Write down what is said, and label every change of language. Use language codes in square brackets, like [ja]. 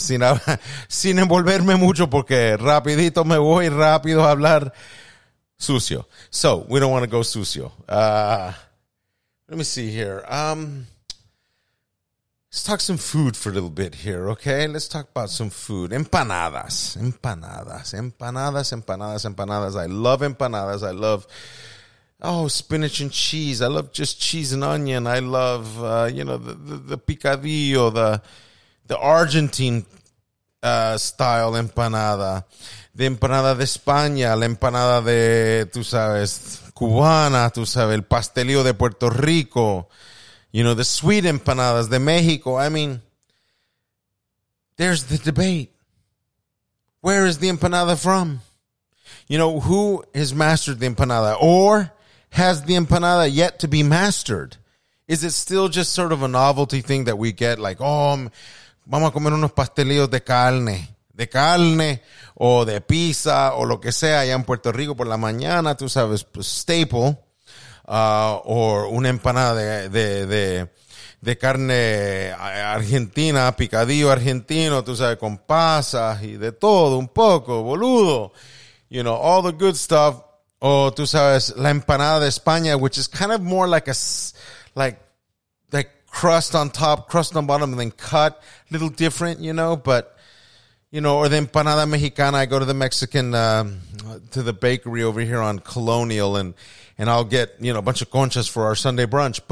[es] Sin envolverme mucho porque rapidito me voy rápido a hablar sucio. [en] So, we don't want to go sucio. Let me see here. Let's talk some food for a little bit here, okay? Let's talk about some food. [es] Empanadas. Empanadas. Empanadas, empanadas, empanadas. [en] I love empanadas. I love, oh, spinach and cheese. I love just cheese and onion. I love, you know, the picadillo, the Argentine style empanada. [es] The empanada de España, la empanada de, tú sabes, cubana, tú sabes, el pastelillo de Puerto Rico. [en] You know, the sweet empanadas de Mexico. I mean, there's the debate. Where is the empanada from? You know, who has mastered the empanada? Or has the empanada yet to be mastered? Is it still just sort of a novelty thing that we get like, oh, [es] vamos a comer unos pastelillos de carne. De carne o de pizza o lo que sea allá en Puerto Rico por la mañana, tú sabes, staple. [en] Or [es] una empanada de carne argentina, picadillo argentino, tú sabes, con pasas y de todo, un poco, boludo. [en] You know, all the good stuff. Or, [es] tú sabes, la empanada de España, [en] which is kind of more like a, like crust on top, crust on bottom, and then cut, a little different, you know, but, you know, or the empanada mexicana. I go to the Mexican, to the bakery over here on Colonial, and I'll get, you know, a bunch of conchas for our Sunday brunch.